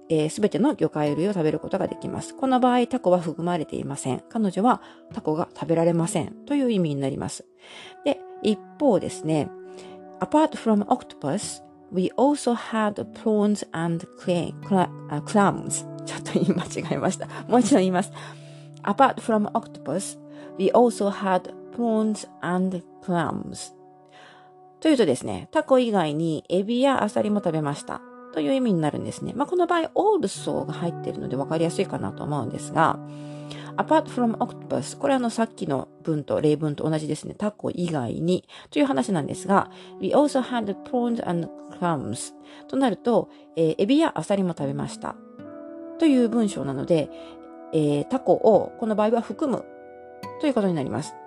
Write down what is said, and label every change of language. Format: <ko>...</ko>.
<ja>すべての魚介類を食べることができます。この場合、タコは含まれていません。彼女はタコが食べられませんという意味になります。で、一方ですね、</ja> <en>Apart from octopus, we also had prawns and clams.</en> <ja>ちょっと言い間違えました。もう一度言います。</ja> <en>Apart from octopus, we also had prawns and clams.</en> <ja>というとですね、タコ以外にエビやアサリも食べました。という意味になるんですね。まあ、この場合、also が入っているので分かりやすいかなと思うんですが、</ja> <en>apart from octopus、</en> <ja>これはさっきの文と例文と同じですね。タコ以外にという話なんですが、</ja> <en>we also had prawns and clams</en> <ja>となると、エビやアサリも食べましたという文章なので、タコをこの場合は含むということになります。</ja>